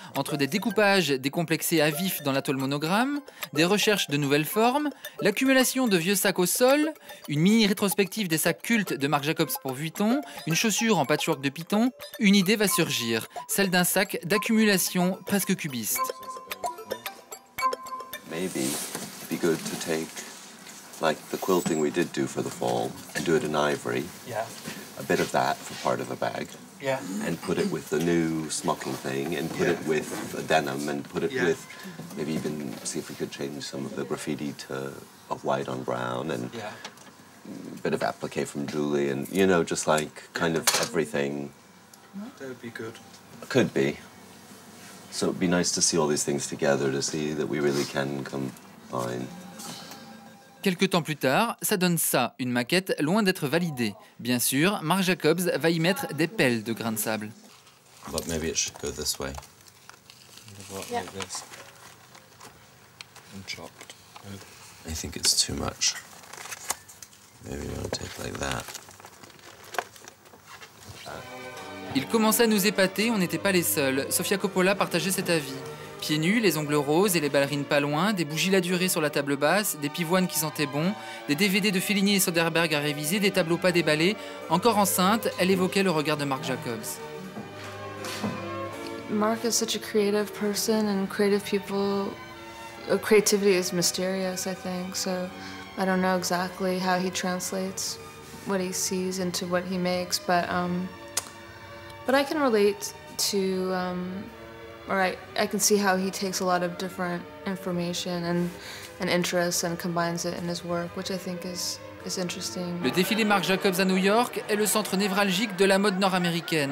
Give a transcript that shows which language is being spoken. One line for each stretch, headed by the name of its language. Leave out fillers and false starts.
French: Entre des découpages décomplexés à vif dans la toile monogramme, des recherches de nouvelles formes, l'accumulation de vieux sacs au sol, une mini-rétrospective des sacs cultes de Marc Jacobs pour Vuitton, une chaussure en patchwork de Python, une idée va surgir, celle d'un sac d'accumulation presque cubiste.
English: Maybe it'd be good to take... Like the quilting we did do for the fall, and do it in ivory. Yeah. A bit of that for part of a bag. Yeah. And put it with the new smocking thing, and put it with a denim, and put it with maybe even see if we could change some of the graffiti to of white on brown, and a bit of applique from Julie, and you know, just like kind of everything. That would be good. Could be. So it'd be nice to see all these things together to see that we really can combine.
French: Quelques temps plus tard, ça donne ça, une maquette loin d'être validée. Bien sûr, Marc Jacobs va y mettre des pelles de grains de sable.
English: But maybe it should go this way. Yeah. I think it's too much. Maybe we want to take like that.
French: Il commençait à nous épater, on n'était pas les seuls. Sofia Coppola partageait cet avis. Pieds nus, les ongles roses et les ballerines pas loin, des bougies ladurées sur la table basse, des pivoines qui sentaient bon, des DVD de Fellini et Soderbergh à réviser, des tableaux pas déballés. Encore enceinte, elle évoquait le regard de Marc Jacobs.
English: Marc is such a creative person and creative people. Creativity is mysterious, I think. So I don't know exactly how he translates what he sees into what he makes, but I can relate to. I can see how he takes a lot of different information and interests and combines it in his work, which I think is interesting.
French: Le défilé Marc Jacobs à New York est le centre névralgique de la mode nord-américaine.